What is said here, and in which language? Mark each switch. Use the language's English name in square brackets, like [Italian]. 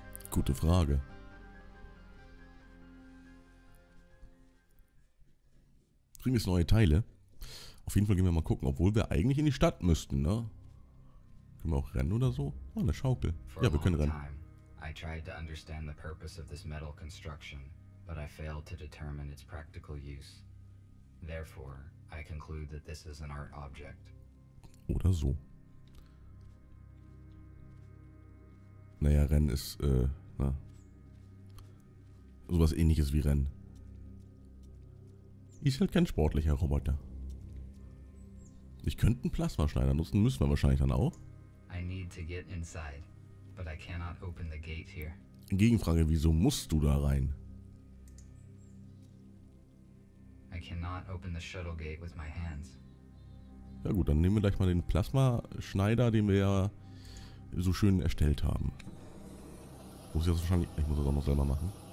[German] Gute Frage. Kriegen wir jetzt neue Teile? Auf jeden Fall gehen wir mal gucken, obwohl wir eigentlich in die Stadt müssten, ne? Können wir auch rennen oder so? Oh, eine Schaukel. Ja, wir können rennen. [English] Time, I tried to understand the purpose of this metal construction, but I failed to determine its practical use. Therefore, I conclude that this is an art object. [German] Oder so. Naja, Rennen ist, na. Sowas ähnliches wie Rennen. Ist halt kein sportlicher Roboter. Ich könnte einen Plasmaschneider nutzen, müssen wir wahrscheinlich dann auch. [English] I need to get inside, but I cannot open the gate here. [German] Gegenfrage, wieso musst du da rein? [English] I cannot open the shuttle gate with my hands. [German] Ja gut, dann nehmen wir gleich mal den Plasmaschneider, den wir ja so schön erstellt haben. Muss ich das wahrscheinlich. Ich muss das auch noch selber machen.